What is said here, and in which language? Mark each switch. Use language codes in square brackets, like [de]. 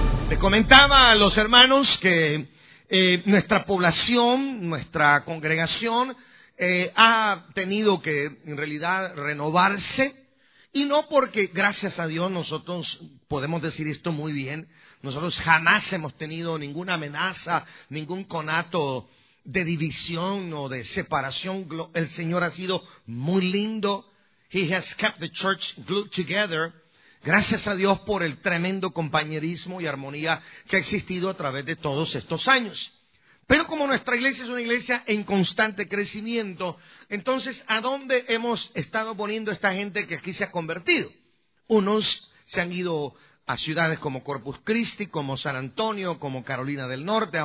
[es] Te comentaba a los hermanos que nuestra población, nuestra congregación, ha tenido que en realidad renovarse. Y no porque, gracias a Dios, nosotros podemos decir esto muy bien, nosotros jamás hemos tenido ninguna amenaza, ningún conato de división o de separación. El Señor ha sido muy lindo. [en] He has kept the church glued together. [es] Gracias a Dios por el tremendo compañerismo y armonía que ha existido a través de todos estos años. Pero como nuestra iglesia es una iglesia en constante crecimiento, entonces, ¿a dónde hemos estado poniendo esta gente que aquí se ha convertido? Unos se han ido a ciudades como Corpus Christi, como San Antonio, como Carolina del Norte.